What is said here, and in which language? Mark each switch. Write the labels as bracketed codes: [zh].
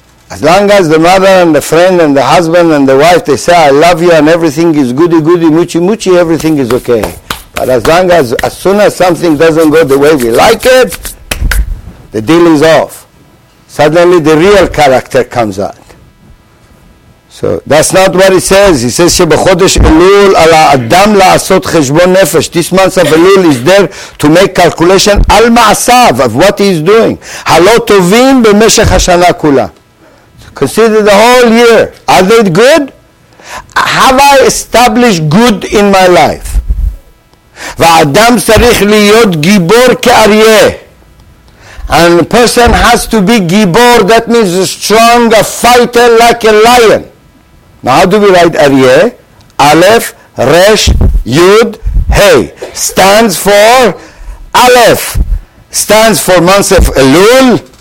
[en] As long as the mother and the friend and the husband and the wife, they say, I love you and everything is goody, goody, moochie, moochie, everything is okay. But as soon as something doesn't go the way we like it, the deal is off. Suddenly the real character comes out. So that's not what it says. It says [he] שבחודש אלול על האדם לעשות חשבון נפש. [en] This month of אלול is there to make calculation על מעשיו of what he is doing. [he] הלא טובים במשך השנה כולה. [en] Consider the whole year. Are they good? Have I established good in my life? [he] והאדם צריך להיות גיבור כאריה. [en] And a person has to be גיבור, that means a strong, a fighter like a lion. Now how do we write Aryeh? Aleph, Resh, Yud, Hey. Stands for Aleph. Stands for month of Elul.